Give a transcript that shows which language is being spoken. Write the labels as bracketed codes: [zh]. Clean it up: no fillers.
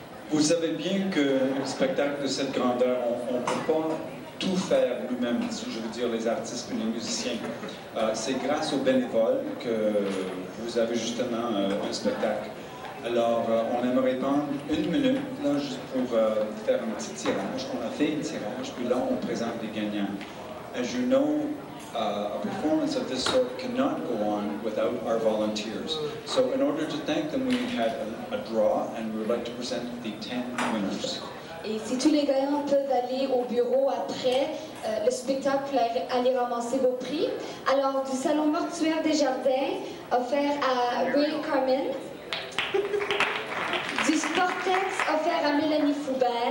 [fr] Vous savez bien qu'un spectacle de cette grandeur, on ne peut pas tout faire nous-mêmes, si je veux dire les artistes et les musiciens. C'est grâce aux bénévoles que vous avez justement un spectacle. Alors, on aimerait prendre une minute, là, juste pour faire un petit tirage. On a fait un tirage, puis là, on présente les gagnants. [en] As you know, a performance of this sort cannot go on without our volunteers. So in order to thank them, we had a draw, and we would like to present the 10 winners. [fr] Et si tous les gagnants peuvent aller au bureau après le spectacle pour aller ramasser vos prix, alors du Salon Mortuaire des Jardins, offert à Will Carmen, du Sportex, offert à Mélanie Foubert,